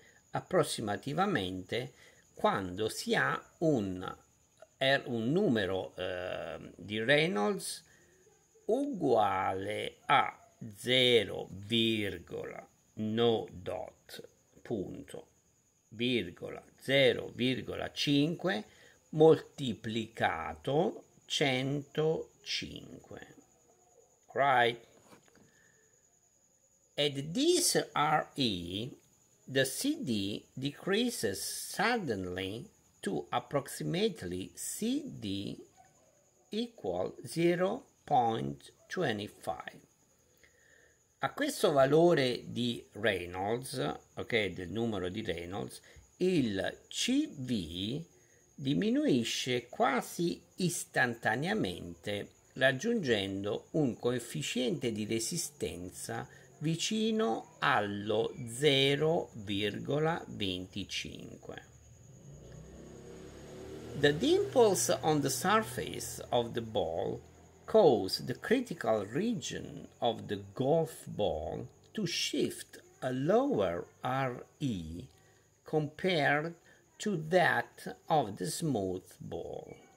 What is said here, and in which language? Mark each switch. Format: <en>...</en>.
<it>approssimativamente quando si ha un numero di Reynolds uguale a 0,05 moltiplicato 105.</it> <en>Right? At this RE, the CD decreases suddenly to approximately CD equal 0.25.</en> <it>A questo valore di Reynolds, ok, del numero di Reynolds, il CV diminuisce quasi istantaneamente raggiungendo un coefficiente di resistenza vicino allo 0,25.</it> <en>The dimples on the surface of the ball cause the critical region of the golf ball to shift a lower RE compared to that of the smooth ball.</en>